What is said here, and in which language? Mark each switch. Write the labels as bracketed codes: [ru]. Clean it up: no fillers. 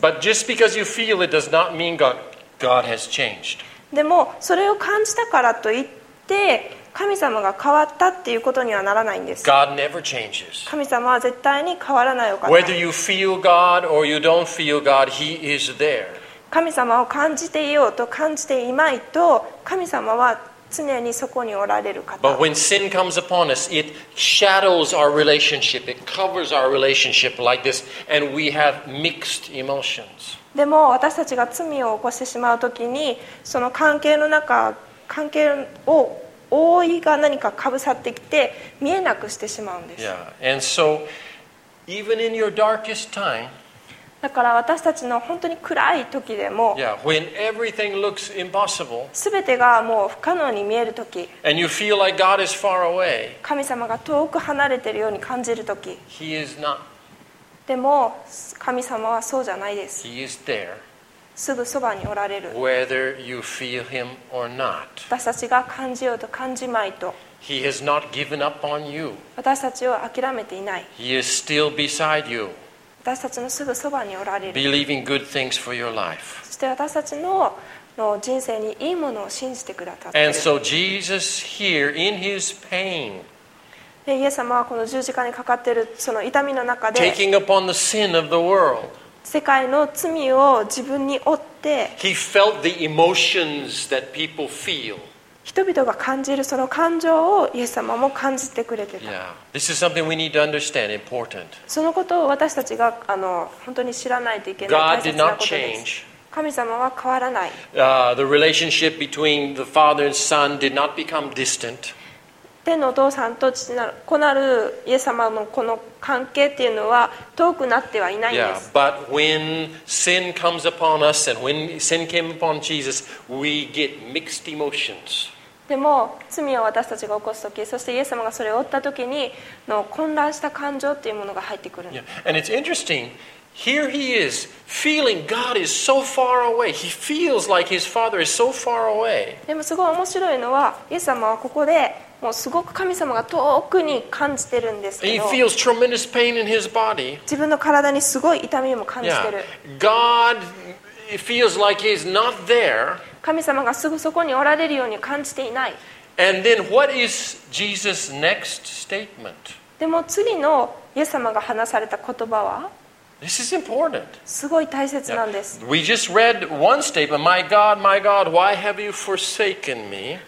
[en] But just because you feel it does not mean God has changed. [ja] でもそれを感じたからといって神様が変わったっていうことにはならないんです。 [en] God never changes. [ja] 神様は絶対に変わらないお方。 [en] Whether you feel God or you don't feel God, He is there. [ja] 神様を感じていようと感じていまいと、神様は常にそこにおられる方。 [en] But when sin comes upon us, it shadows our relationship. It covers our relationship like this, and we have mixed emotions. [ja] でも私たちが罪を起こしてしまうときに、その関係の中、関係を覆いが何かかぶさってきて見えなくしてしまうんです。 [en] Yeah. And so, even in your darkest time, [ja] だから私たちの本当に暗い時でも、 [en] yeah, when everything looks impossible, [ja] 全てがもう不可能に見える時、 [en] and you feel like God is far away, [ja] 神様が遠く離れているように感じる時、 [en] He is not. [ja] でも神様はそうじゃないです。 [en] He is there, [ja] すぐそばにおられる。 [en] whether you feel him or not. [ja] 私たちが感じようと感じまいと、 [en] He has not given up on you. [ja] 私たちを諦めていない。 [en] He is still beside you. [ja] 私たちのすぐそばにおられる。 [en] Believing good things for your life. [ja] そして私たちの人生にいいものを信じてくださっている。 [en] And so Jesus here in his pain, [ja] でイエス様はこの十字架にかかっているその痛みの中で、 [en] taking upon the sin of the world, [ja] 世界の罪を自分に負って、 [en] he felt the emotions that people feel. [ja] 人々が感じるその感情をイエス様も感じてくれてた。 [en] Yeah. This is something we need to understand, important. [ja] そのことを私たちが本当に知らないといけない大切なことです。 [en] God did not change. [ja] 神様は変わらない。 [en] The relationship between the Father and Son did not become distant. [ja] 天のお父さんと父なる、子なるイエス様のこの関係っていうのは遠くなってはいないんです。 [en] Yeah, but when sin comes upon us and when sin came upon Jesus, we get mixed emotions. [ja] でも罪を私たちが起こすとき、そしてイエス様がそれを負ったときにの混乱した感情というものが入ってくる。 [en] Yeah. And it's interesting. Here he is feeling God is so far away. He feels like his father is so far away. [ja] でもすごい面白いのは、イエス様はここでもうすごく神様が遠くに感じてるんですけど、 [en] He feels tremendous pain in his body. [ja] 自分の体にすごい痛みも感じてる。 [en] Yeah. God feels like he's not there. [ja] 神様がすぐそこにおられるように感じていない。 [en] And then what is Jesus' next statement? [ja] でも次のイエス様が話された言葉は、 [en] This is important. [ja] すごい大切なんです。 [en] Yeah. We just read one statement. My God, my God, why have you forsaken me?